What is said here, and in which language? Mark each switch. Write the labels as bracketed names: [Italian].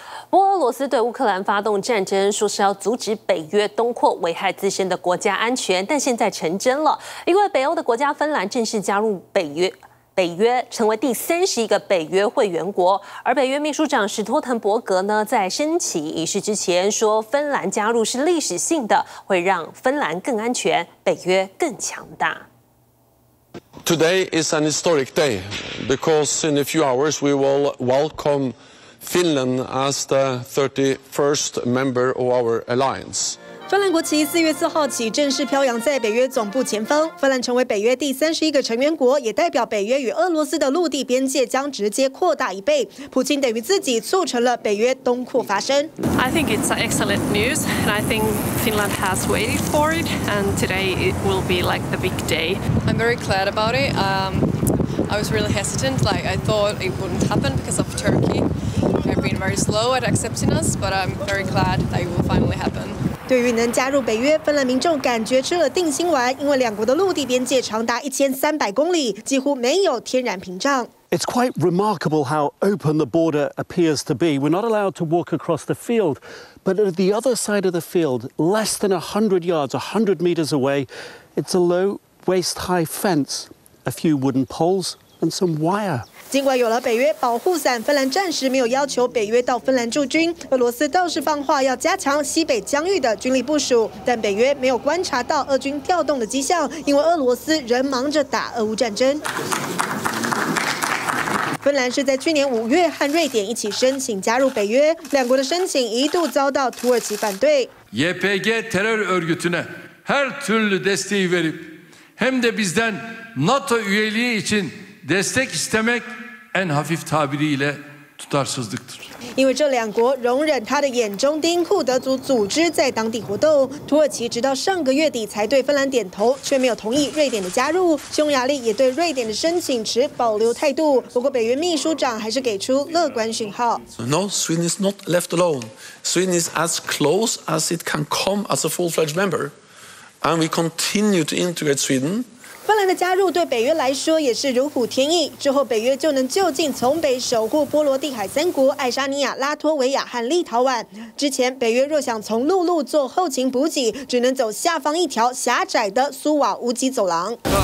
[Chinese] 不过俄罗斯对乌克兰发动战争，说是要阻止北约东扩危害自身的国家安全，但现在成真了，因为北欧的国家芬兰正式加入北约成为第31个北约会员国。而北约秘书长史托滕伯格呢，在升旗仪式之前说，芬兰加入是历史性的，会让芬兰更安全，北约更强大。 [English] Today is an historic day because in a few hours we will welcome Finland as the 31st member of our alliance. [Chinese] 芬兰国旗4月4号起正式飘扬在北约总部前方，芬兰成为北约第31个成员国，也代表北约与俄罗斯的陆地边界将直接扩大一倍。普京等于自己促成了北约东扩发生。 [English] I think it's excellent news, and I think Finland has waited for it, and today it will be like the big day. I'm very glad about it. I was really hesitant, like I thought it wouldn't happen because of Turkey. They've been very slow at accepting us, but I'm very glad that it will finally happen. [Chinese] 对于能加入北约，芬兰民众感觉吃了定心丸，因为两国的陆地边界长达1300公里，几乎没有天然屏障。 [English] It's quite remarkable how open the border appears to be. We're not allowed to walk across the field, but at the other side of the field, less than 100 yards, 100 meters away, it's a low, waist-high fence, a few wooden poles, and some wire. [Chinese] 尽管有了北约保护伞，芬兰暂时没有要求北约到芬兰驻军。俄罗斯倒是放话要加强西北疆域的军力部署，但北约没有观察到俄军调动的迹象，因为俄罗斯仍忙着打俄乌战争。芬兰是在去年5月和瑞典一起申请加入北约，两国的申请一度遭到土耳其反对。 [Turkish] YPG terör örgütüne her türlü desteği verip hem de bizden NATO üyeliği için。 Destek istemek en hafif tabiriyle tutarsızlıktır. [Chinese] 因为这两国容忍他的眼中钉库德族组织在当地活动，土耳其直到上个月底才对芬兰点头，却没有同意瑞典的加入。匈牙利也对瑞典的申请持保留态度。不过，北约秘书长还是给出乐观讯号。 [English] No, Sweden is not left alone. Sweden is as close as it can come as a full-fledged member, and we continue to integrate Sweden. [Chinese] 芬兰的加入对北约来说也是如虎添翼，之后北约就能就近从北守护波罗的海三国爱沙尼亚、拉脱维亚和立陶宛。之前北约若想从陆路做后勤补给，只能走下方一条狭窄的苏瓦乌基走廊。